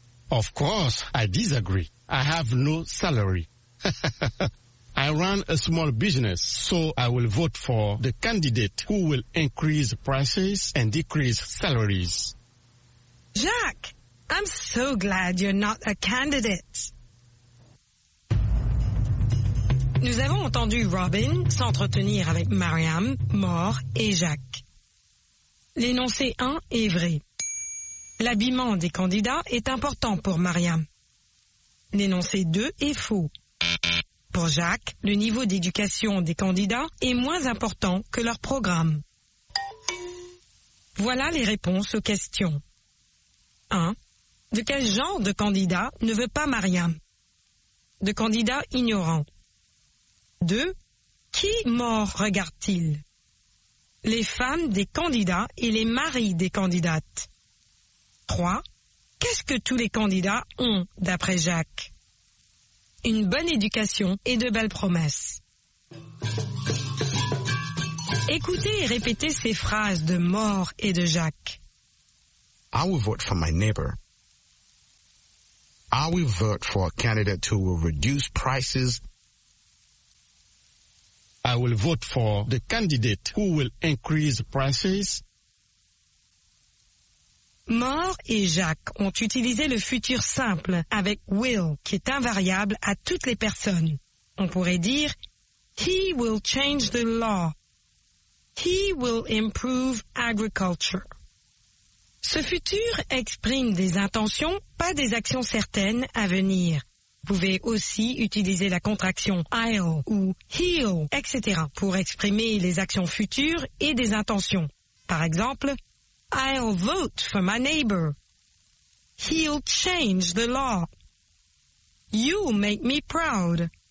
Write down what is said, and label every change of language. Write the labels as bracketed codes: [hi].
[en] Of course, I disagree. I have no salary. I run a small business, so I will vote for the candidate who will increase prices and decrease salaries. Jacques, I'm so glad you're not a candidate. [fr] Nous avons entendu Robin s'entretenir avec Mariam, Mor et Jacques. L'énoncé 1 est vrai. L'habillement des candidats est important pour Mariam. L'énoncé 2 est faux. Pour Jacques, le niveau d'éducation des candidats est moins important que leur programme. Voilà les réponses aux questions. 1. De quel genre de candidat ne veut pas Mariam? De candidat ignorant. 2. Qui mort regarde-t-il? Les femmes des candidats et les maris des candidates. 3. Qu'est-ce que tous les candidats ont, d'après Jacques? Une bonne éducation et de belles promesses. Écoutez et répétez ces phrases de Mort et de Jacques. [en] I will vote for my neighbor. I will vote for a candidate who will reduce prices. I will vote for the candidate who will increase prices. [fr] Mort et Jacques ont utilisé le futur simple avec will, qui est invariable à toutes les personnes. On pourrait dire, [en] he will change the law. He will improve agriculture. [fr] Ce futur exprime des intentions, pas des actions certaines à venir. Vous pouvez aussi utiliser la contraction I'll ou he'll, etc. pour exprimer les actions futures et des intentions. Par exemple, [en] I'll vote for my neighbor. He'll change the law. You'll make me proud.